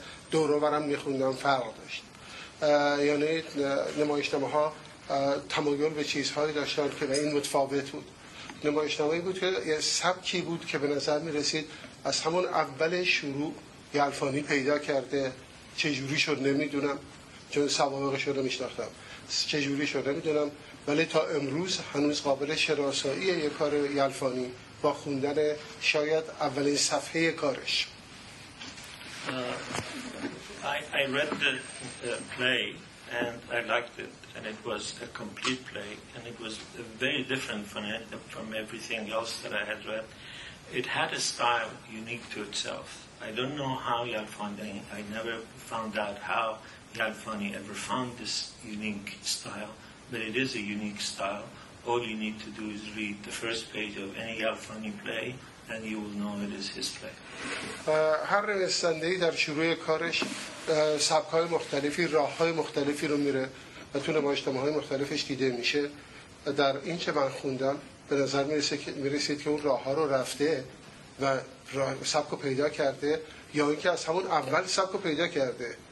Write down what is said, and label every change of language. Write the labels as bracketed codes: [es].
[fa] دور و برم می‌خوندم فرق داشت یعنی نمایشنامه‌ها تمایل به چیزهایی داشتن که به این متفاوت بود نمایشنامه‌ای بود که یه سبکی بود که به نظر می‌رسید از همون اول شروع یلفانی پیدا کرده چجوری شد نمی‌دونم چون سوابقش رو می‌شناختم چجوری شد نمی‌دونم ولی تا امروز هنوز قابل شناسایی یک کار یلفانی با خوندن شاید اولین صفحه کارش [en] I read the play and I liked it and it was a complete play and it was very different from everything else that I had read it had a style unique to itself I don't know how Yalfani I never found out how Yalfani ever found this unique style But it is a unique style. All you need to do is read the first page of any Yalfani play, and you will know it is his play. [fa] هر نویسنده‌ای در شروع کارش سبک‌های مختلفی، راه‌های مختلفی رو میره و تو نمایشنامه‌های مختلفش دیده میشه. در این چه من خوندم، به نظر میرسید که اون راه‌ها رو رفته و سبک رو پیدا کرده یا اینکه از همون اول سبک رو پیدا کرده.